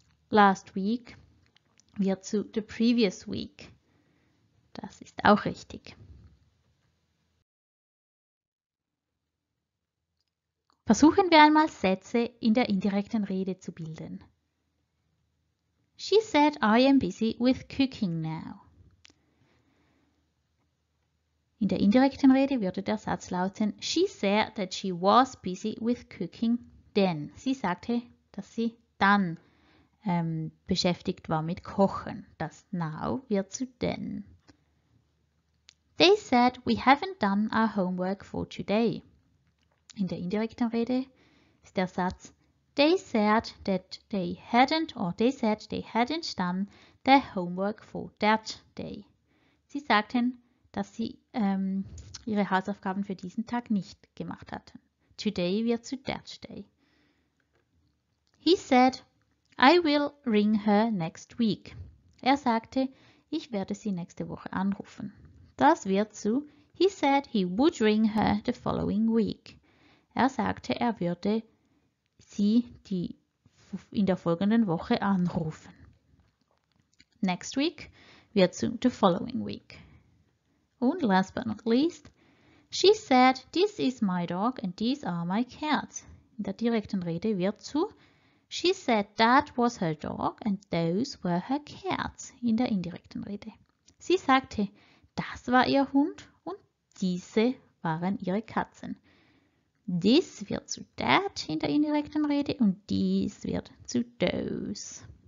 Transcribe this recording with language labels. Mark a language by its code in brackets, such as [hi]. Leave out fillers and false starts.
[en] Last week [de] wird zu [en] the previous week. [de] Das ist auch richtig. Versuchen wir einmal, Sätze in der indirekten Rede zu bilden. [en] She said, I am busy with cooking now. [de] In der indirekten Rede würde der Satz lauten, [en] she said that she was busy with cooking then. [de] Sie sagte, dass sie dann beschäftigt war mit Kochen. Das now wird zu then. [en] They said, we haven't done our homework for today. [de] In der indirekten Rede ist der Satz, [en] they said that they hadn't or they said they hadn't done their homework for that day. [de] Sie sagten, dass sie ihre Hausaufgaben für diesen Tag nicht gemacht hatten. [en] Today [de] wird zu [en] that day. He said, I will ring her next week. [de] Er sagte, ich werde sie nächste Woche anrufen. Das wird zu, [en] he said he would ring her the following week. [de] Er sagte, er würde sie die in der folgenden Woche anrufen. [en] Next week [de] wird zu [en] the following week. [de] Und [en] last but not least, she said, this is my dog and these are my cats. [de] In der direkten Rede wird zu, [en] she said, that was her dog and those were her cats. [de] In der indirekten Rede. Sie sagte, das war ihr Hund und diese waren ihre Katzen. This wird zu that in der indirekten Rede und dies wird zu those.